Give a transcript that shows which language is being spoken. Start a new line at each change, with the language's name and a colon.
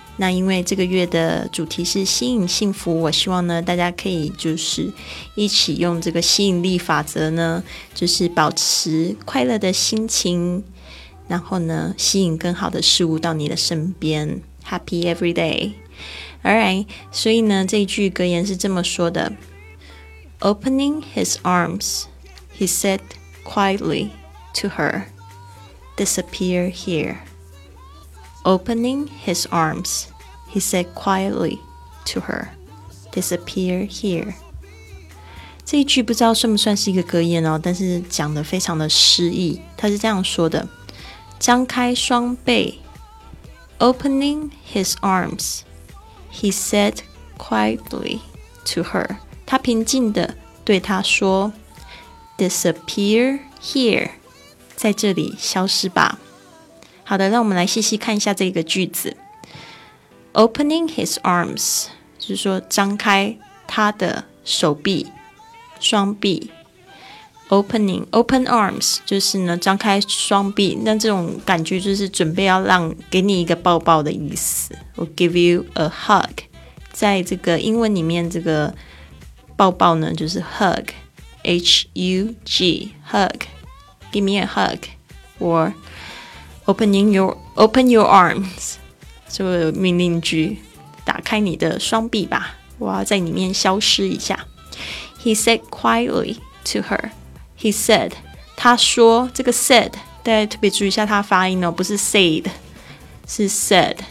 Chinese: 那因为这个月的主题是吸引幸福，我希望呢大家可以就是一起用这个吸引力法则呢，就是保持快乐的心情，然后呢吸引更好的事物到你的身边。
English: Happy every day. Alright,
Chinese: 所以呢这一句格言是这么说的，
English: Opening his arms, he said quietlyTo her, disappear here. Opening his arms, he said quietly to her, disappear here.
Chinese: 这一句不知道算不算是一个格言哦，但是讲得非常的诗意。他是这样说的，张开双臂，
English: Opening his arms, he said quietly to her.
Chinese: 他平静地对她说，
English: disappear here.
Chinese: 在这里消失吧。好的，让我们来细细看一下这个句子。
English: Opening his arms
Chinese: 就是说张开他的手臂，双臂。
English: Opening open arms
Chinese: 就是呢张开双臂，那这种感觉就是准备要让给你一个抱抱的意思。
English: We'll give you a hug，
Chinese: 在这个英文里面这个抱抱呢就是
English: hug， H-U-G hug，Give me a hug, or open your arms.
Chinese: 所以命令句，打开你的双臂吧，我要在里面消失一下。
English: He said quietly to her. He said,
Chinese: 他说，这个 said, 大家特别注意一下它发音哦，不是 said, 是 said.